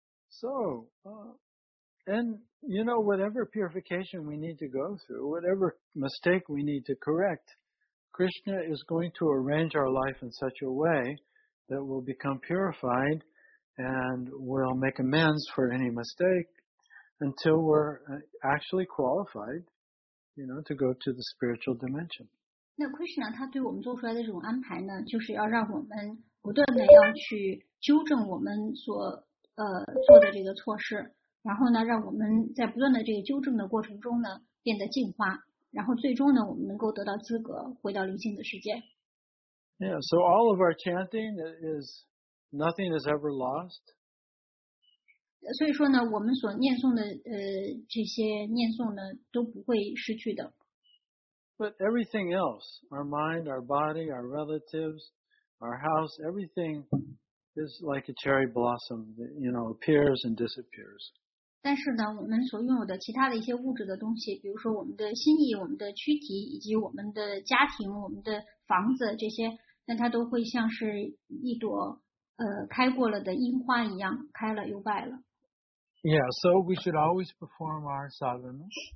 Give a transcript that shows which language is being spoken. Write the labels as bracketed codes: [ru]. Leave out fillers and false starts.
[en] So, and you know, whatever purification we need to go through, whatever mistake we need to correct, Krishna is going to arrange our life in such a way that we'll become purified and we'll make amends for any mistake until we're actually qualified, you know, to go to the spiritual dimension. [zh] 那 Krishna 他对我们做出来的这种安排呢，就是要让我们不断的要去纠正我们所做的这个措施，然后呢，让我们在不断的这个纠正的过程中呢，变得进化，然后最终呢，我们能够得到资格回到灵性的世界。 [en] Yeah, so all of our chanting is nothing is ever lost. [zh] 所以说呢，我们所念诵的这些念诵呢，都不会失去的。 [en] But everything else, our mind, our body, our relatives, our house, everything is like a cherry blossom that, you know, appears and disappears. [zh] 但是呢，我们所拥有的其他的一些物质的东西，比如说我们的心意、我们的躯体以及我们的家庭、我们的房子这些，那它都会像是一朵开过了的樱花一样，开了又败了。 [en] Yeah, so we should always perform our sadhana.